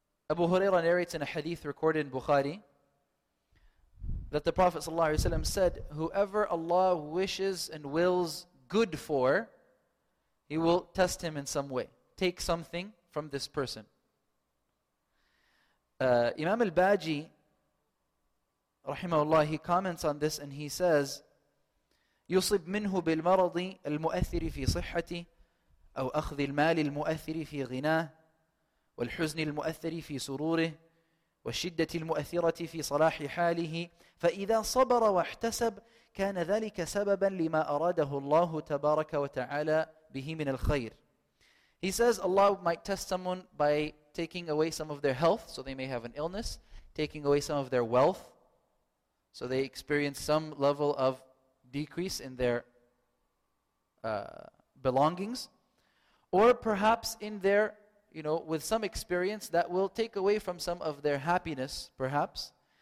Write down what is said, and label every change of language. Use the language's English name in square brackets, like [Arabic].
[English] Abu Hurairah narrates in a hadith recorded in Bukhari that the Prophet ﷺ said, whoever Allah wishes and wills good for, He will test him in some way. Take something from this person. Imam al-Baji, rahimahullah, he comments on this and he says, [Arabic] يُصِبْ مِنْهُ بِالْمَرَضِ الْمُؤَثِّرِ فِي صِحَّتِ أَوْ أَخْذِ الْمَالِ الْمُؤَثِّرِ فِي غِنَاهِ وَالْحُزْنِ الْمُؤَثِّرِ فِي سُرُورِهِ والشدة المؤثرة في صلاح حاله فإذا صبر واحتسب كان ذلك سببا لما أراده الله تبارك وتعالى به من الخير. [English] He says Allah might test someone by taking away some of their health, so they may have an illness, taking away some of their wealth, so they experience some level of decrease in their belongings, or perhaps in their, you know, with some experience that will take away from some of their happiness, perhaps.